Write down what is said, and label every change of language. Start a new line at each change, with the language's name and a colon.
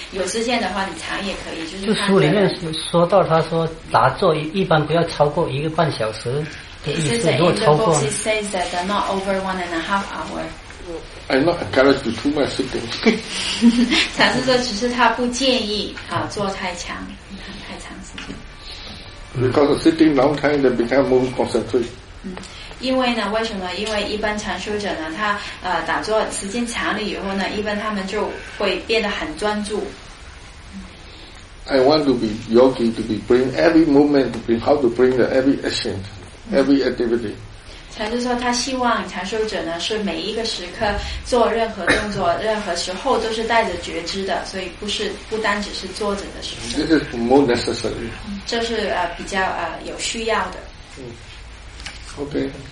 Chinese: 有时间的话，你长也可以，就是。就书里面说到，他说打坐一般不要超过一个半小时的意思。如果超过。
English: He says that they're not over one and a half hour. I'm not encouraged to do too much sitting.
Chinese: 禅师说，只是他不建议啊坐太长时间。
English: Because of sitting long time, they become more concentrated.
Chinese: 因为呢，为什么？因为一般禅修者呢，他打坐时间长了以后呢，一般他们就会变得很专注。
English: I want to be yogi to be bring every moment to be how to bring the every action, every activity.
Chinese: 禅师说，他希望禅修者呢是每一个时刻做任何动作，任何时候都是带着觉知的，所以不单只是坐着的时候。
English: This is more necessary.
Chinese: 这是比较有需要的。
English: OK.